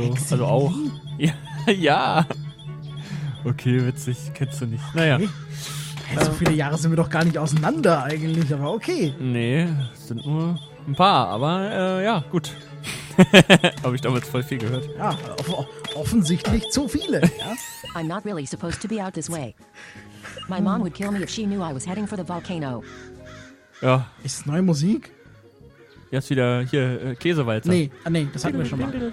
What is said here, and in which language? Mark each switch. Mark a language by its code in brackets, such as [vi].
[de] Hexe also auch. Ja, ja. Okay, witzig. Kennst du nicht. Okay. Naja. Hey, so viele Jahre sind wir doch gar nicht auseinander eigentlich, aber okay. Nee, sind nur... Ein paar, aber ja, gut. Habe ich damals voll viel gehört. Ja, offensichtlich zu viele. Ja? [en] I'm not really supposed to be out this way. My mom would kill me if she knew I was heading for the volcano. [de] Ja. Ist neue Musik? Jetzt wieder hier Käsewalzer. Nee, ah, nee, das hatten wir schon mal.